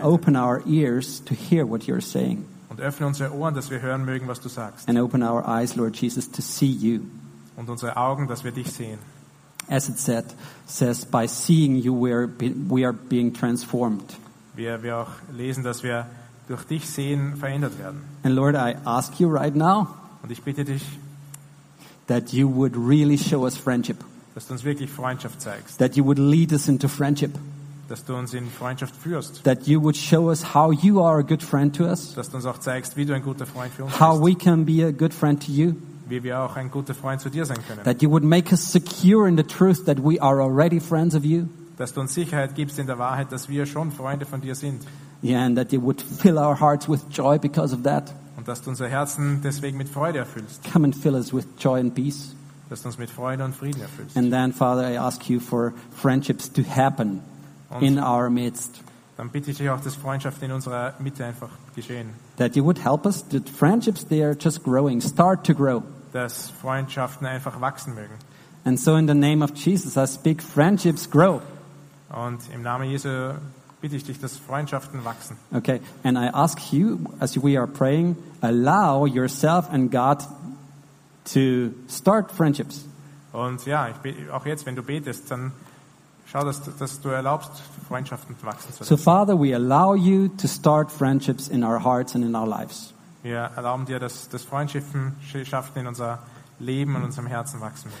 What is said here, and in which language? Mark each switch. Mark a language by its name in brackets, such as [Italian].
[English] And open our ears to hear what you're saying. [German] Und öffne unsere Ohren, dass wir hören mögen, was du sagst. [English] And open our eyes, Lord Jesus, to see you. [German] Und unsere Augen, dass wir dich sehen. [English] As it said, says, by seeing you, we are being transformed. [German] Wir auch lesen, dass wir durch dich sehen verändert werden. [English] And Lord, I ask you right now. [German] Und ich bitte dich, [English] that you would really show us friendship. [German] Dass du uns wirklich Freundschaft zeigst. [English] That you would lead us into friendship. [German] Dass du uns in Freundschaft führst. [English] That you would show us how you are a good friend to us. [German] Dass du uns auch zeigst, wie du ein guter Freund für uns bist. [English] How we can be a good friend to you. [German] Wie wir auch ein guter Freund zu dir sein können. [English] That you would make us secure in the truth that we are already friends of you. [German] Dass du uns Sicherheit gibst in der Wahrheit, dass wir schon Freunde von dir sind. [English] Yeah, and that you would fill our hearts with joy because of that. [German] Und dass du unser Herzen deswegen mit Freude erfüllst. [English] Come and fill us with joy and peace. [German] Dass du uns mit Freude und Frieden erfüllst. [English] And then, Father, I ask you for friendships to happen [German] und [English] in our midst. [German] Dann bitte ich dich auch, dass Freundschaft in unserer Mitte einfach geschehen. [English] That you would help us, that friendships they are just growing, start to grow. [German] Dass Freundschaften einfach wachsen mögen. [English] And so in the name of Jesus, I speak friendships grow. [German] Und im Namen Jesu bitte ich dich, dass Freundschaften wachsen. [English] Okay, and I ask you, as we are praying, allow yourself and God to start friendships. [German] Und ja, ich auch jetzt, wenn du betest, dann schau, dass du erlaubst, Freundschaften wachsen zu lassen. [English] So Father, we allow you to start friendships in our hearts and in our lives. [German] Wir erlauben dir, dass Freundschaften in unser Leben und unserem Herzen wachsen.